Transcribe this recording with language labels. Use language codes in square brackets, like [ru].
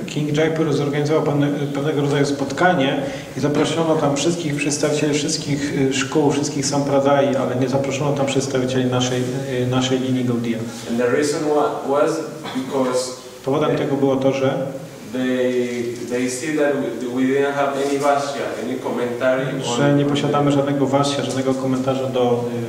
[pl] King Jaipur zorganizował pewnego rodzaju spotkanie i zaproszono tam wszystkich przedstawicieli wszystkich szkół, wszystkich sampradaj, ale nie zaproszono tam przedstawicieli naszej linii Gaudiya. [en] And the reason was because [pl] powodem tego było to, że [en] they see that we didn't have any vasya, any commentary. [pl] Że nie posiadamy żadnego vasya, żadnego komentarza do